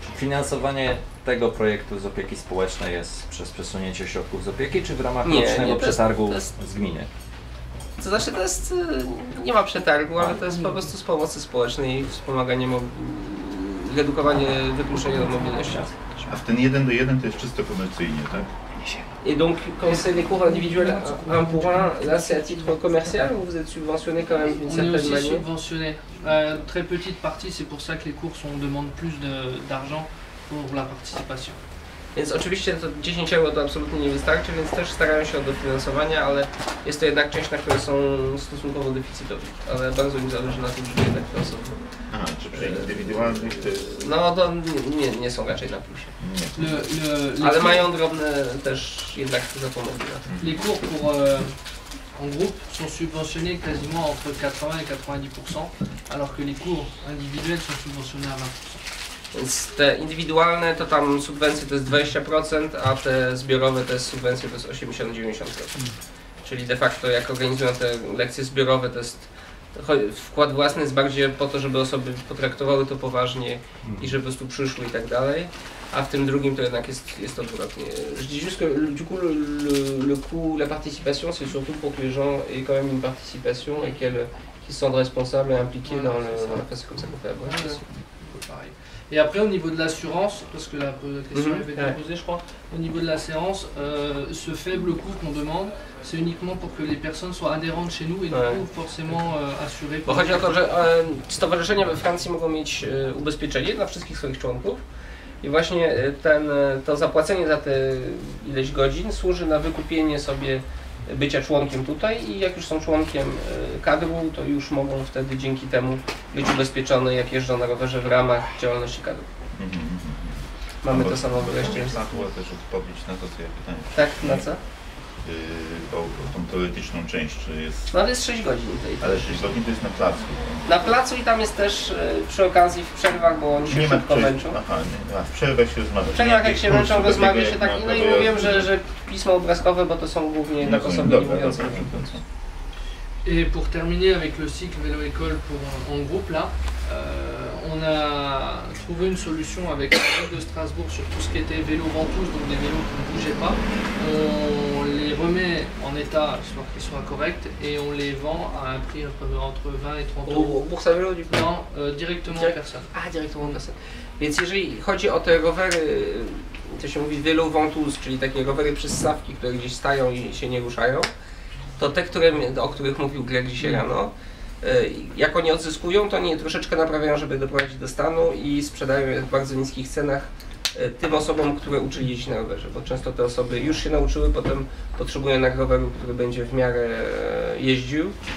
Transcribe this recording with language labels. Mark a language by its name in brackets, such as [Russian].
[Polish] Finansowanie tego projektu z opieki społecznej jest przez przesunięcie środków z opieki, czy w ramach rocznego przetargu z gminy? To znaczy, to jest, nie ma przetargu, ale to jest po prostu z pomocy społecznej, wspomaganie, redukowanie wykluczenia do mobilności. A w ten 1 do 1 to jest czysto komercyjnie, tak? [French] Et donc, quand c'est des cours individuels, un pour un, là c'est à titre commercial ou vous êtes subventionné quand même d'une certaine manière? On est aussi subventionné. Très petite partie, c'est pour ça que les cours, on demande plus d'argent pour la participation. [Polish] Więc oczywiście to 10 euro to absolutnie nie wystarczy, więc też starają się o dofinansowania, ale jest to jednak część, na które są stosunkowo deficytowe. Ale bardzo mi zależy na tym, żeby jednak te osoby... Aha, czy przy indywidualnych to... No to nie są raczej na plusie. Ale mają drobne też jednak zapomogi na to. [French] Les cours pour en groupe sont subventionnés quasiment entre 80 et 90%, alors que les cours individuels sont subventionnés à 20%. [Polish] Więc te indywidualne to tam subwencje to jest 20%, a te zbiorowe to jest subwencje to jest 80-90%. Czyli de facto jak organizują te lekcje zbiorowe to jest wkład własny jest bardziej po to, żeby osoby potraktowały to poważnie i żeby po prostu przyszły i tak dalej. A w tym drugim to jednak jest odwrotnie. [French] Je dis juste que du coup le coût, la participation c'est surtout pour que les gens aient quand même une participation et qu'ils sont responsables et impliqués dans le c'est comme ça qu'on fait avoir. Et après, au niveau de l'assurance, parce que la question avait été posée, je crois, au niveau de la séance, ce faible coût qu'on demande, c'est uniquement pour que les personnes soient adhérentes chez nous et du coup, forcément assurées. [Polish] Bo chodzi o to, że stowarzyszenia we Francji mogą mieć ubezpieczenie dla wszystkich swoich członków i właśnie to zapłacenie za te ileś godzin służy na wykupienie sobie bycia członkiem tutaj i jak już są członkiem kadru, to już mogą wtedy dzięki temu być ubezpieczone, jak jeżdżą na rowerze w ramach działalności kadru. Mamy to samo wyjście. Mogę też odpowiedzieć na to, co ja pytałem. Tak, na co? O tą teoretyczną część, czy jest... No to jest 6 godzin. Tej ale 6 godzin to jest na placu. Na placu i tam jest też przy okazji w przerwach, bo oni się nie szybko męczą. A w przerwach się rozmawia. W przerwach jak się męczą, rozmawia się tak. No i mówiłem, że pismo obrazkowe, bo to są głównie tak osoby niemujące. [French] Et pour terminer avec le cycle vélo-école en groupe, là, on a trouvé une solution avec la ville de Strasbourg sur tout ce qui était vélo-ventouse, donc des vélos qui ne bougeaient pas. On les remet en état, histoire qu'ils soient corrects, et on les vend à un prix entre 20 et 30 euros. Pour sa vélo, du coup? Non, directement aux personnes. Ah, directement aux personnes. [Polish] Więc jeżeli chodzi o te rowery, to się mówi vélo-ventouse, czyli takie rowery przez ssawki, które gdzieś stają i się nie ruszają, to te, o których mówił Greg dzisiaj rano, jak oni odzyskują, to oni troszeczkę naprawiają, żeby doprowadzić do stanu i sprzedają je w bardzo niskich cenach tym osobom, które uczyli jeździć na rowerze, bo często te osoby już się nauczyły, potem potrzebują na roweru, który będzie w miarę jeździł